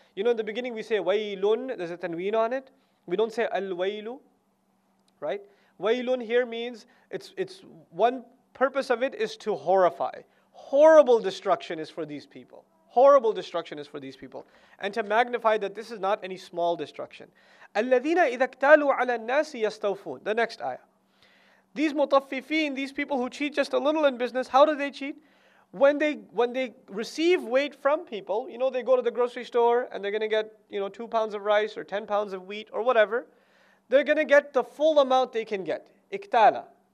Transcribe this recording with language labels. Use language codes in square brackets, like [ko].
[en] You know, in the beginning we say, waylun, there's a tanween on it. We don't say al-waylu, right? Waylun here means, it's one purpose of it is to horrify. Horrible destruction is for these people. Horrible destruction is for these people. And to magnify that this is not any small destruction. [ar] الَّذِينَ إِذَا اكْتَالُوا عَلَى النَّاسِ يَسْتَوْفُونَ [en] The next ayah. These mutaffifin, these people who cheat just a little in business, how do they cheat? When they receive weight from people, you know, they go to the grocery store and they're going to get, you know, 2 pounds of rice or 10 pounds of wheat or whatever. They're going to get the full amount they can get. [ar] اِكْتَالَ.